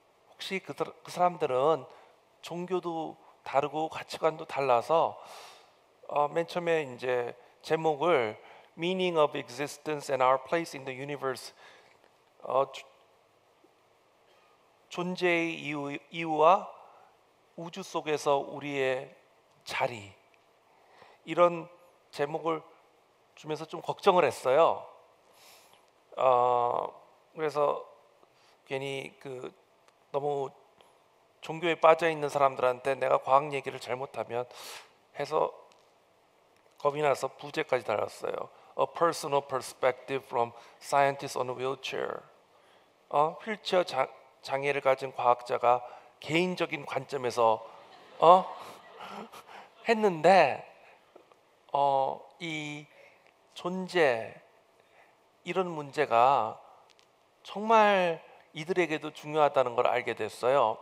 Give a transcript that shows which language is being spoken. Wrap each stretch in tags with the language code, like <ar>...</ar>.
<ko>혹시 그 사람들은 종교도 다르고 가치관도 달라서 맨 처음에 이제 제목을</ko> <en>Meaning of Existence and Our Place in the Universe,</en> <ko>존재의 이유와 우주 속에서 우리의 자리, 이런 제목을 주면서 좀 걱정을 했어요. 그래서 괜히 그 너무 종교에 빠져 있는 사람들한테 내가 과학 얘기를 잘못하면 해서 겁이 나서 부제까지 달았어요.</ko> <en>A personal perspective from scientists on a wheelchair.</en> <ko>휠체어 장애를 가진 과학자가 개인적인 관점에서 했는데, 이 존재 이런 문제가 정말 이들에게도 중요하다는 걸 알게 됐어요.</ko>